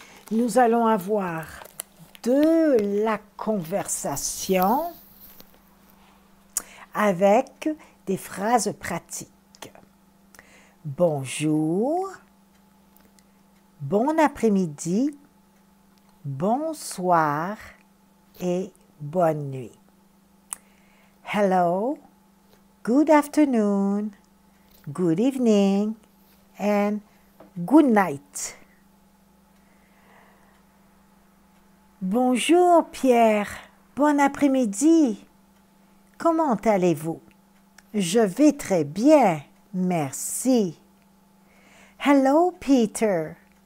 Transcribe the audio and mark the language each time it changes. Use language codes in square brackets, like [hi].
[fr] Nous allons avoir de la conversation avec des phrases pratiques. Bonjour, bon après-midi, bonsoir et bonne nuit. [en] Hello. Good afternoon, good evening, and good night. [fr] Bonjour Pierre, bon après-midi. Comment allez-vous? Je vais très bien, merci. [en] Hello Peter.